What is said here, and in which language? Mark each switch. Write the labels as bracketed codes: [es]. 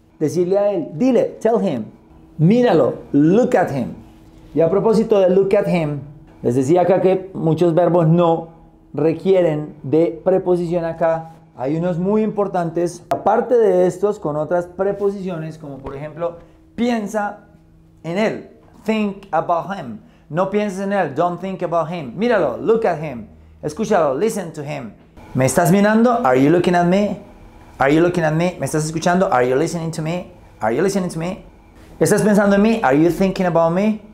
[es] Decirle a él, dile, [en] tell him. [es] Míralo, [en] look at him. [es] Y a propósito de [en] look at him, [es] les decía acá que muchos verbos no requieren de preposición acá. Hay unos muy importantes, aparte de estos, con otras preposiciones, como por ejemplo, piensa en él, [en] think about him. [es] No pienses en él, [en] don't think about him. [es] Míralo, [en] look at him. [es] Escúchalo, [en] listen to him. [es] ¿Me estás mirando? [en] Are you looking at me? Are you looking at me? [es] ¿Me estás escuchando? [en] Are you listening to me? Are you listening to me? [es] ¿Estás pensando en mí? [en] Are you thinking about me?